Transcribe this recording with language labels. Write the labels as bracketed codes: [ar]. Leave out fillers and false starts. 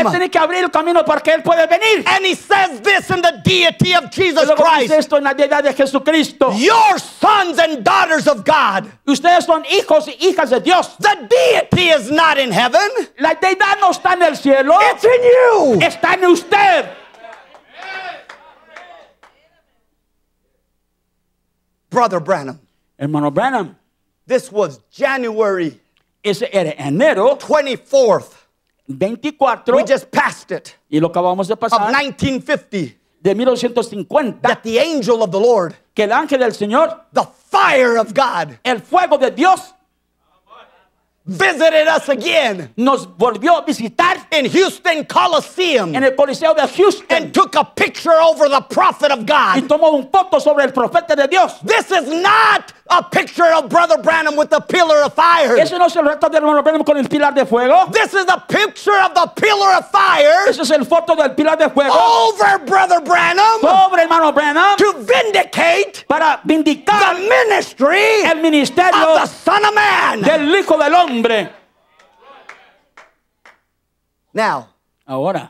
[es] Él tiene que abrir el camino para que él pueda venir. [en] And he says this in the deity of Jesus Christ. [es] Dice esto en la deidad de Jesucristo. [en] Your sons and daughters of God. [es] Ustedes son hijos y hijas de Dios. [en] The deity is not in heaven. [es] La deidad no está en el cielo. [en] It's in you. [es] Está en usted. [en] Brother Branham. [es] Hermano Branham. [en] This was January [es] ese era enero [en] 24th. [es] 24, [en] we just passed it, [es] y lo acabamos de pasar, [en] of 1950, [es] de 1950, [en] that the angel of the Lord, [es] que el ángel del Señor, [en] the fire of God, [es] el fuego de Dios, [en] visited us again. [es] Nos volvió a visitar [en] in Houston Coliseum. [es] En el Coliseo de Houston. [en] And took a picture over the prophet of God. [es] Y tomó un foto sobre el profeta de Dios. [en] This is not a picture of Brother Branham with the pillar of fire. [es] Ese no es el retrato de hermano Branham con el pilar de fuego. [en] This is a picture of the pillar of fire. [es] Ese es el foto del pilar de fuego. [en] Over Brother Branham. [es] Sobre hermano Branham. [en] To vindicate. [es] Para vindicar. [en] The ministry. [es] El ministerio. [en] Of the Son of Man. [es] Del hijo del hombre. [en] Now. [es] Ahora.